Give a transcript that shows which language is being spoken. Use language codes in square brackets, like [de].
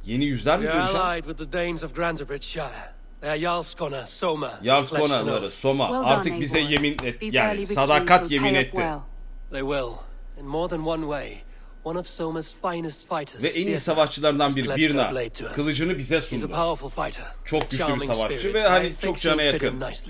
[tr] Yeni yüzler mi göreceğim? [en] Allied with the Danes of Granderbridge Shire. They are Jarlskona, Soma. [tr] Jarlskona'ları, Soma. Artık bize yemin et, yani sadakat yemin etti. [en] They will, in more than one way, one of Soma's finest fighters. [tr] Ve en iyi savaşçılardan biri, Birna, kılıcını bize sundu. Çok güçlü bir savaşçı ve hani çok cana yakın.